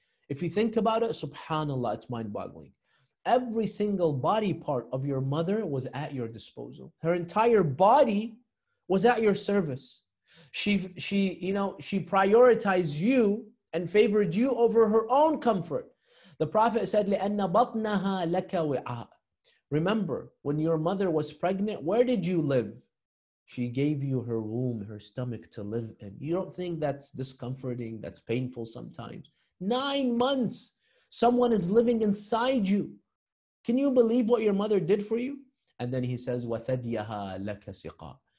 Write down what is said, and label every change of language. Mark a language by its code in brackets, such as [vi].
[en] If you think about it, subhanAllah, it's mind-boggling. Every single body part of your mother was at your disposal. Her entire body was at your service. She prioritized you and favored you over her own comfort. The Prophet said, [ar] لِأَنَّ بَطْنَهَا لَكَ وِعَاءَ. [en] Remember, when your mother was pregnant, where did you live? She gave you her womb, her stomach to live in. You don't think that's discomforting, that's painful sometimes. 9 months, someone is living inside you. Can you believe what your mother did for you? And then he says, [ar] وَثَدْيَهَا لَكَ سِقَى.